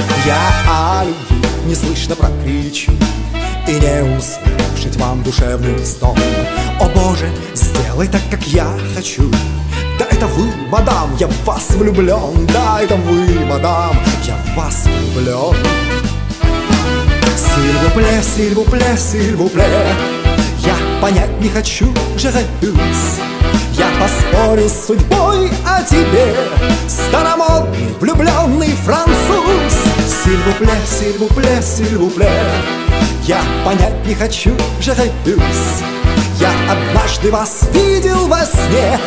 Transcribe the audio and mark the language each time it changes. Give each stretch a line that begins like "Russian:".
Russian: Я о любви неслышно прокричу и не услышать вам душевный стон. О боже, сделай так, как я хочу. Да это вы, мадам, я в вас влюблен. Да это вы, мадам, я в вас влюблен.
French: S'il vous plaît, s'il vous plaît, s'il vous plaît.
Russian: Я понять не хочу,
French: je refuse.
Russian: Я поспорю с судьбой о тебе, старомодный влюбленный француз.
French: S'il vous plaît, s'il vous plaît, s'il vous plaît.
Russian: Я понять не хочу,
French: je refuse.
Russian: Я однажды вас видел во сне.